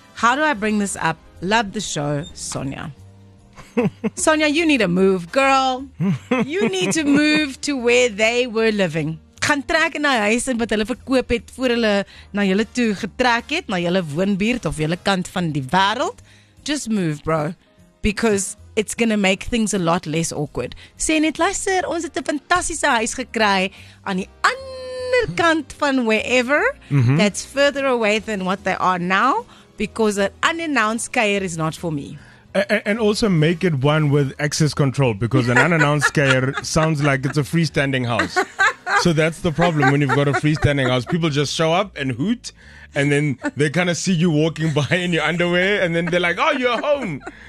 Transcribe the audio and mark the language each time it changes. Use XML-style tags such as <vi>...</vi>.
<en>How do I bring this up? Love the show, Sonia." Sonia, you need to move, girl. You need to move to where they were living.</en> <af>Gaan trek in die huis in wat hulle verkoop het voor hulle na julle toe getrek het, na julle woonbuurt of julle kant van die wêreld.</af> <en>Just move, bro. Because it's going to make things a lot less awkward.</en> <af>Sê net, luister, ons het 'n fantastiese huis gekry aan die ander kant van wherever. Mm-hmm.</af> <en>That's further away than what they are now. Because an unannounced care is not for me. And also make it one with access control, because an unannounced care sounds like it's a freestanding house. So that's the problem when you've got a freestanding house. People just show up and hoot, and then they kind of see you walking by in your underwear, and then they're like, "Oh, you're home."</en>